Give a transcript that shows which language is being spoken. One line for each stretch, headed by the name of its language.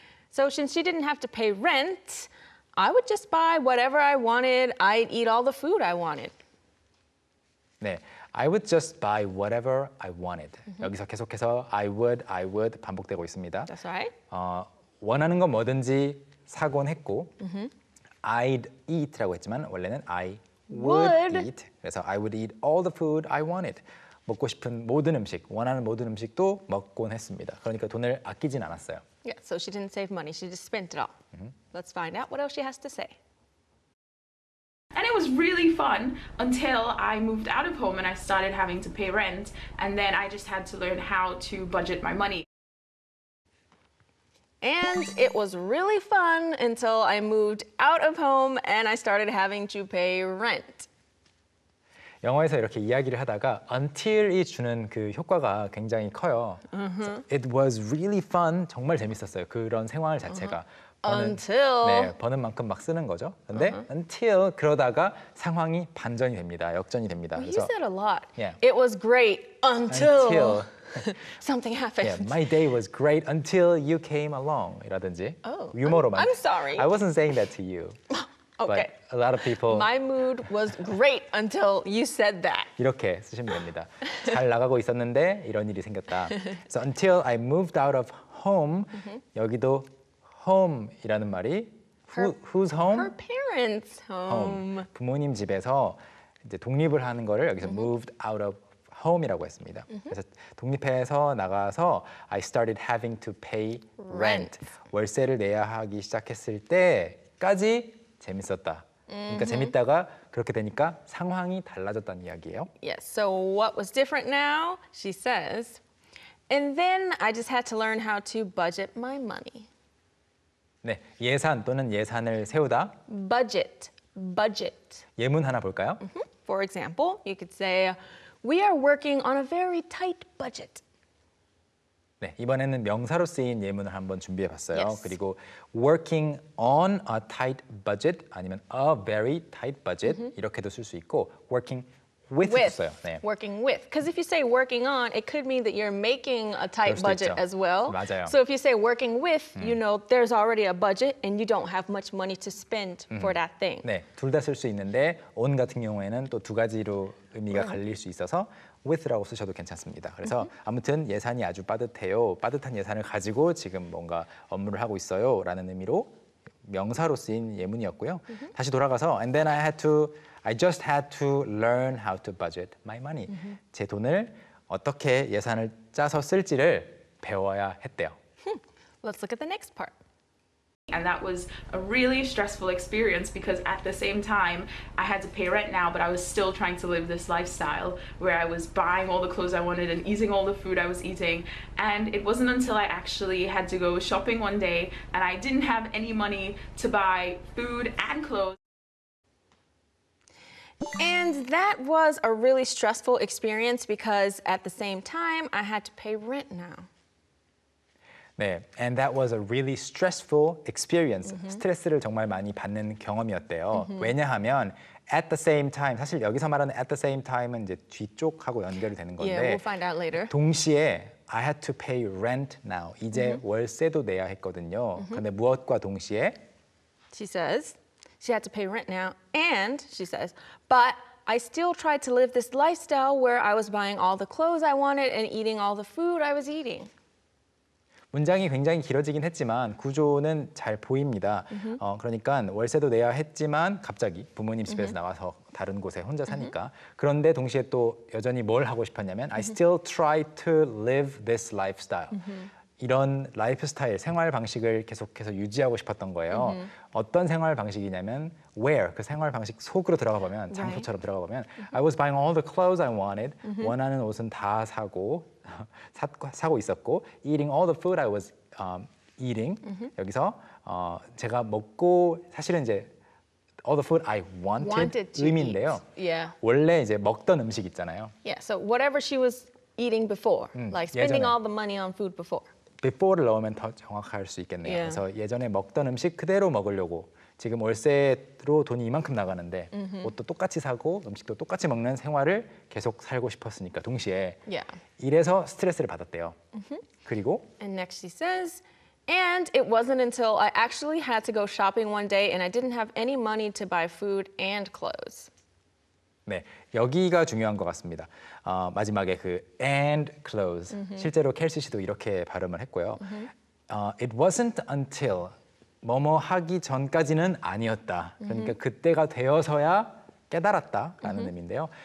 English: So since she didn't have to pay rent, I would just buy whatever I wanted. I'd eat all the food I wanted. 네. I would just buy whatever I wanted. Mm-hmm.
Korean: 여기서 계속해서 I would 반복되고 있습니다.
English: That's right.
Korean: 원하는 건 뭐든지 사곤 했고 mm-hmm.
English: I'd eat
Korean: 라고 했지만 원래는
English: I would eat.
Korean: 그래서
English: I would eat all the food I wanted.
Korean: 먹고 싶은 모든 음식, 원하는 모든 음식도 먹곤 했습니다. 그러니까 돈을 아끼진 않았어요.
English: Yeah, so she didn't save money. She just spent it all. Mm-hmm. Let's find out what else she has to say. And it was really fun until I moved out of home and I started having to pay rent. And then I just had to learn how to budget my money. And it was really fun until I moved out of home and I started having to pay rent.
Korean: 영어에서 이렇게 이야기를 하다가 until이 주는 그 효과가 굉장히 커요. Uh-huh.
English: It was really fun.
Korean: 정말 재밌었어요. 그런 생활 자체가.
English: Uh-huh.
Korean: 버는, until 네, 버는 만큼 막 쓰는 거죠. 근데 uh-huh. until 그러다가 상황이 반전이 됩니다. 역전이 됩니다.
English: Well,
Korean: 그래서
English: you said a lot. Yeah. It was great until, until something happened. Yeah, my day was great until you came along.
Korean: 이라든지 oh, 유머로만
English: I'm sorry. I wasn't saying that to you. okay. But a lot of people My mood was great until you said that.
Korean: 이렇게 쓰시면 됩니다. 잘 나가고 있었는데 이런 일이 생겼다.
English: So until I moved out of home. Mm-hmm.
Korean: 여기도 home이라는 말이
English: whose home? Her parents' home.
Korean: 부모님 집에서 이제 독립을 하는 거를 여기서 mm-hmm.
English: moved out of home
Korean: 이라고 했습니다. Mm-hmm. 그래서 독립해서 나가서
English: I started having to pay rent.
Korean: 월세를 내야 하기 시작했을 때까지 재밌었다. 그러니까 재밌다가 그렇게 되니까 상황이 달라졌다는 이야기예요.
English: Yes. So what was different now? She says. And then I just had to learn how to budget my money.
Korean: 네, 예산 또는 예산을 세우다.
English: Budget. Budget.
Korean: 예문 하나 볼까요? Mm-hmm.
English: For example, you could say we are working on a very tight budget.
Korean: 네, 이번에는 명사로 쓰인 예문을 한번 준비해 봤어요.
English: Yes.
Korean: 그리고
English: working on a tight budget
Korean: 아니면
English: a very tight budget mm-hmm.
Korean: 이렇게도 쓸 수 있고
English: working with
Korean: 했어요.
English: 네. Working with. Because if you say working on, it could mean that you're making a tight budget
Korean: 있죠.
English: as well.
Korean: 맞아요.
English: So if you say working with, you know there's already a budget and you don't have much money to spend for that thing.
Korean: 네, 둘 다 쓸 수 있는데 on 같은 경우에는 또 두 가지로 의미가 갈릴 수 있어서 with라고 쓰셔도 괜찮습니다. 그래서 아무튼 예산이 아주 빠듯해요. 빠듯한 예산을 가지고 지금 뭔가 업무를 하고 있어요. 라는 의미로 명사로 쓰인 예문이었고요. 다시 돌아가서
English: and then I just had to learn how to budget my money.
Korean: 제 돈을 어떻게 예산을 짜서 쓸지를 배워야 했대요.
English: Let's look at the next part. And that was a really stressful experience because at the same time, I had to pay rent now, but I was still trying to live this lifestyle where I was buying all the clothes I wanted and eating all the food I was eating. And it wasn't until I actually had to go shopping one day and I didn't have any money to buy food and clothes. And that was a really stressful experience because at the same time, I had to pay rent now. 네, and that was a really stressful experience.
Korean: 스트레스를 정말 많이 받는 경험이었대요. 왜냐하면
English: at the same time,
Korean: 사실 여기서 말하는 at the same time은 이제 뒤쪽하고 연결이 되는 건데
English: yeah, we'll find out later.
Korean: 동시에
English: I had to pay rent now.
Korean: 이제 월세도 내야 했거든요. 근데 무엇과 동시에?
English: She says, she had to pay rent now. And she says, but I still tried to live this lifestyle where I was buying all the clothes I wanted and eating all the food I was eating.
Korean: 문장이 굉장히 길어지긴 했지만 구조는 잘 보입니다. 그러니까 월세도 내야 했지만 갑자기 부모님 집에서 나와서 다른 곳에 혼자 사니까. 그런데 동시에 또 여전히 뭘 하고 싶었냐면
English: I still try to live this lifestyle.
Korean: 이런 라이프스타일, 생활 방식을 계속해서 유지하고 싶었던 거예요. 어떤 생활 방식이냐면 where, 그 생활 방식 속으로 들어가 보면, 장소처럼 들어가 보면
English: I was buying all the clothes I wanted.
Korean: 원하는 옷은 다 사고 사고 있었고
English: eating all the food I was eating
Korean: 여기서 제가 먹고 사실은 이제
English: all the food I wanted
Korean: 의미인데요.
English: Yeah.
Korean: 원래 이제 먹던 음식 있잖아요.
English: Yeah, so whatever she was eating before, like spending
Korean: 예전에.
English: all the money on food before.
Korean: Before를 넣으면 더 정확할 수 있겠네요.
English: Yeah.
Korean: 그래서 예전에 먹던 음식 그대로 먹으려고 지금 월세로 돈이 이만큼 나가는데 옷도 똑같이 사고 음식도 똑같이 먹는 생활을 계속 살고 싶었으니까 동시에 이래서 스트레스를 받았대요. 그리고
English: And next she says, and it wasn't until I actually had to go shopping one day and I didn't have any money to buy food and clothes.
Korean: 네, 여기가 중요한 것 같습니다. 마지막에 그 and clothes. 실제로 켈시 씨도 이렇게 발음을 했고요.
English: It wasn't until
Korean: 뭐뭐 하기 전까지는 아니었다. 그러니까 그때가 되어서야 깨달았다라는 의미인데요.